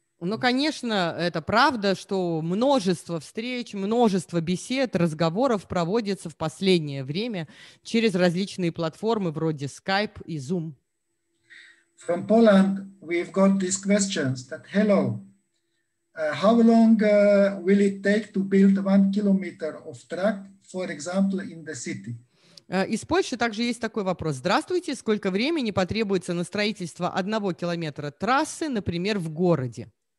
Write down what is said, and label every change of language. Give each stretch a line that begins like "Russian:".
Russian: Но, конечно, это правда, что множество встреч, множество бесед, разговоров проводится в последнее время через различные платформы вроде Skype и Zoom.
English: From Poland we've got these questions that hello, how long will it take to build 1 kilometer of track, for example, in the city?
Russian: Из Польши также есть такой вопрос. Здравствуйте, сколько времени потребуется на строительство 1 километра трассы, например, в городе?